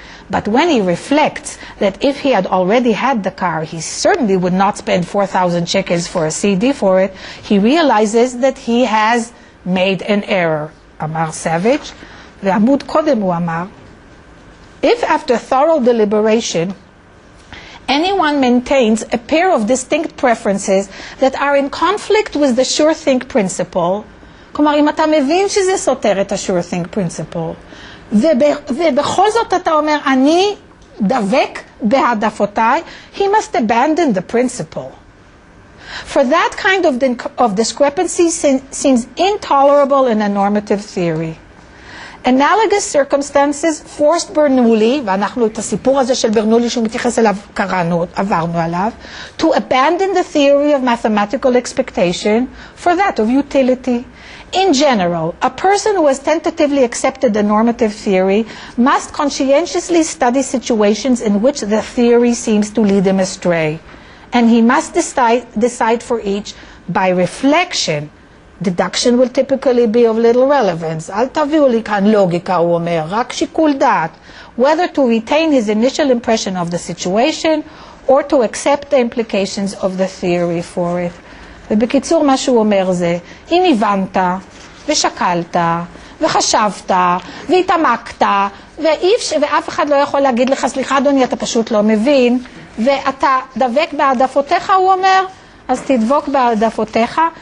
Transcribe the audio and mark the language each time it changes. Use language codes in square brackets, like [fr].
[en] But when he reflects that if he had already had the car, he certainly would not spend 4,000 shekels for a CD for it, he realizes that he has made an error. [he] אמר סאביג', ועמוד קודם הוא אמר, [en] if after thorough deliberation anyone maintains a pair of distinct preferences that are in conflict with the sure thing principle, [he] כלומר אם אתה מבין שזה סותר את ה-sure thing principle, ובכל זאת אתה אומר אני דבק בהעדפותיי, [en] he must abandon the principle. For that kind of discrepancy seems intolerable in a normative theory. Analogous circumstances forced Bernoulli, [he] ואנחנו את הסיפור הזה של ברנולי שהוא מתייחס אליו קראנו, עברנו עליו, [en] to abandon the theory of mathematical expectation for that of utility. In general, a person who has tentatively accepted the normative theory must conscientiously study situations in which the theory seems to lead him astray. And he must decide for each by reflection. Deduction will typically be of little relevance. [he] אל תביאו לי כאן לוגיקה, הוא אומר, רק שיקול דעת. [en] Whether to retain his initial impression of the situation or to accept the implications of the theory for it. [he] ובקיצור, מה שהוא אומר זה, אם הבנת ושקלת וחשבת והתעמקת ואף אחד לא יכול להגיד לך, סליחה אדוני, אתה פשוט לא מבין, ואתה דבק בעדפותיך, הוא אומר, אז תדבוק בעדפותיך.